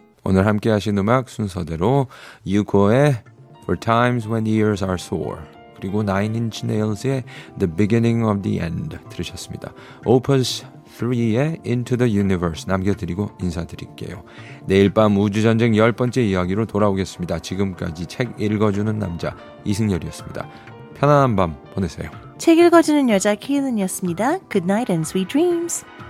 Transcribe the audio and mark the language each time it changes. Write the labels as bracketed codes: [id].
[ko] 오늘 함께 하신 음악 순서대로 유코의 For Times When the Years Are Sore 그리고 Nine Inch Nails의 The Beginning of the End 들으셨습니다. Opus 3의 Into the Universe 남겨드리고 인사드릴게요. 내일 밤 우주전쟁 열 번째 이야기로 돌아오겠습니다. 지금까지 책 읽어주는 남자 이승열이었습니다. 편안한 밤 보내세요. 책 읽어주는 여자 키은은이었습니다. [en] Good night and sweet dreams.